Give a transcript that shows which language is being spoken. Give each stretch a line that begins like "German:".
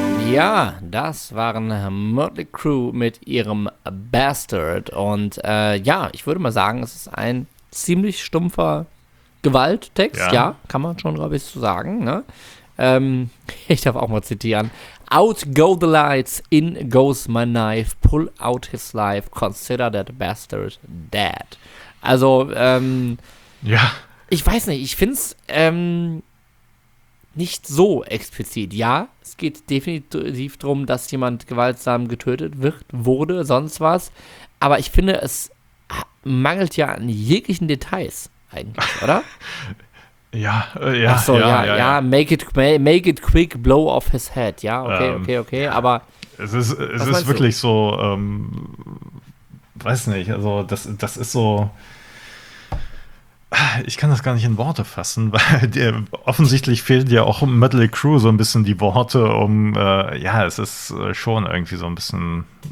German: Ja, das waren Mötley Crüe mit ihrem Bastard. Und ja, ich würde mal sagen, es ist ein ziemlich stumpfer Gewalttext. Ja, kann man schon, glaube ich, so sagen. Ne? Ich darf auch mal zitieren.
English: Out go the lights, in goes my knife, pull out his life, consider that bastard dead.
German: Also, ja. Ich weiß nicht, ich finde es nicht so explizit. Ja, es geht definitiv darum, dass jemand gewaltsam getötet wird, wurde, sonst was. Aber ich finde, es mangelt ja an jeglichen Details eigentlich, oder? Ja. Ach so, ja.
English: Make it quick, blow off his head.
German: Ja, okay. Ja. Aber es ist wirklich so, weiß nicht, also das ist so. Ich kann das gar nicht in Worte fassen, weil dir offensichtlich fehlen ja auch Mötley Crüe so ein bisschen die Worte, um ja, es ist schon irgendwie so ein bisschen